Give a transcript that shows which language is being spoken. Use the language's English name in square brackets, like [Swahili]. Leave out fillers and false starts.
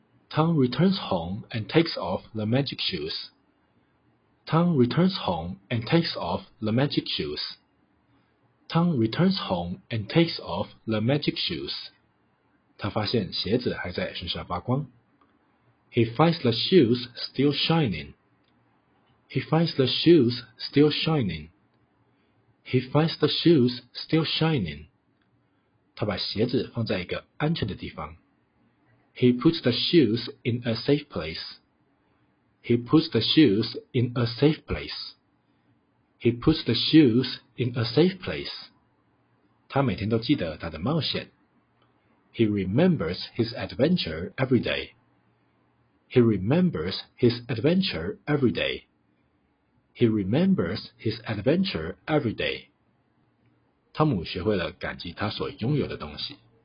[English] Tom returns home and takes off the magic shoes. Tom returns home and takes off the magic shoes. Tom returns home and takes off the magic shoes. [Chinese] 他发现鞋子还在闪闪发光。 [English] He finds the shoes still shining. He finds the shoes still shining. He finds the shoes still shining. [Chinese] 他把鞋子放在一个安全的地方。 [English] He puts the shoes in a safe place. He puts the shoes in a safe place. He puts the shoes in a safe place. [Chinese] 他每天都记得他的冒险。 [English] He remembers his adventure every day. He remembers his adventure every day. He remembers his adventure every day. [Chinese] 汤姆学会了感激他所拥有的东西。